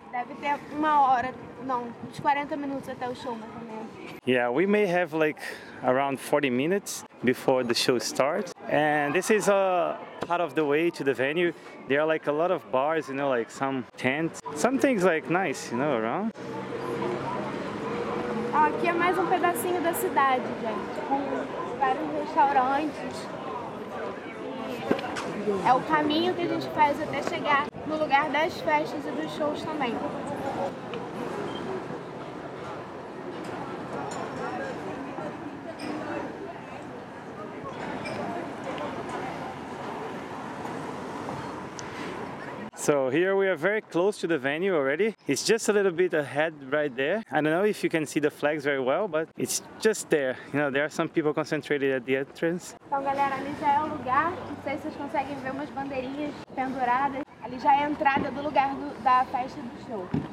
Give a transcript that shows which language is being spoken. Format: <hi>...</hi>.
<pt>Deve ter uma hora, não, uns 40 minutos até o show, mais ou menos.</pt> <en>Yeah, we may have like around 40 minutes before the show starts. And this is a part of the way to the venue. There are like a lot of bars, you know, like some tents. Some things like nice, you know, around.</en> <pt>Aqui é mais um pedacinho da cidade, gente, com vários restaurantes. E é o caminho que a gente faz até chegar no lugar das festas e dos shows também.</pt> <en>So here we are very close to the venue already. It's just a little bit ahead right there. I don't know if you can see the flags very well, but it's just there. You know, there are some people concentrated at the entrance.</en> <pt>Então, galera, ali já é o lugar. Não sei se vocês conseguem ver umas bandeirinhas penduradas. Ali já é a entrada do lugar da festa do show.</pt>